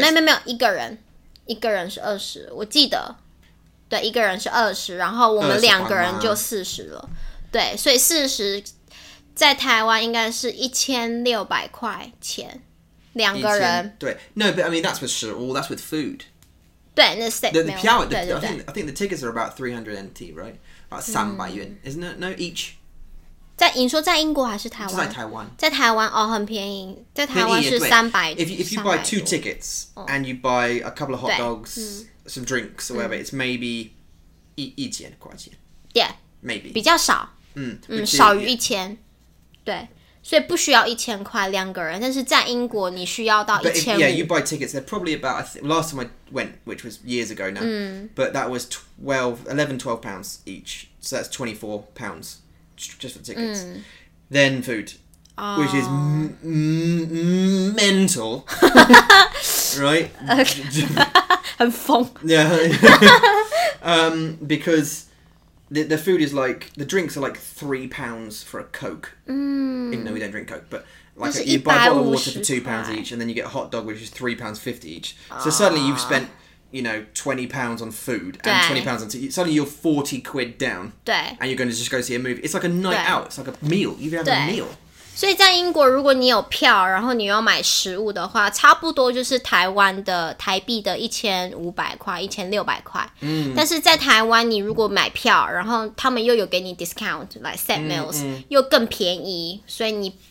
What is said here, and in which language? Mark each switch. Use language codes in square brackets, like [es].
[zh] 没有,没有, 一个人, 一个人是 20, 我记得, 对, 一个人是 20, 然后我们两个人就40了, 对, 所以 40, 在台湾应该是 1600块钱, 两个人. [en] 对, no, but I mean, that's with 食物, that's with food. [zh] 对, 那 steak, [en] the piao, I think the tickets are about 300 NT, right? About 300元, isn't it? No, each. [zh] 你说在英国还是台湾? 就在台湾. 在台湾, 哦, 很便宜, 在台湾是 300, [en] if you buy 2 tickets, and you buy a couple of hot dogs, some drinks, or whatever, it's maybe [zh] 一千块钱. [en] Yeah. Maybe. [zh] 比较少. 嗯,少于一千. 对,所以不需要1000块 两个人, 但是在英国你需要到1000. [en] Yeah, you buy tickets, they're probably about, last time I went, which was years ago now, but that was 11-12 pounds each, so that's £24 just for tickets. Then food, which is mental, right? [zh] 很疯. [en] Yeah. because the food is like, the drinks are like £3 for a Coke. Mm. Even though we don't drink Coke, but like you buy a bottle of water for £2 each, and then you get a hot dog, which is £3.50 each. So suddenly you've spent, you know, £20 on food and £20 on tea. Suddenly you're £40 down. And you're going to just go see a movie. It's like a night out, it's like a meal. You've had a meal. [zh] 所以在英国如果你有票, 然后你要买食物的话, 差不多就是台湾的台币的 1500块, 1600块。但是在台湾你如果买票, 然后他们又有给你 [en] discount, like set meals, [zh] 又更便宜, 所以你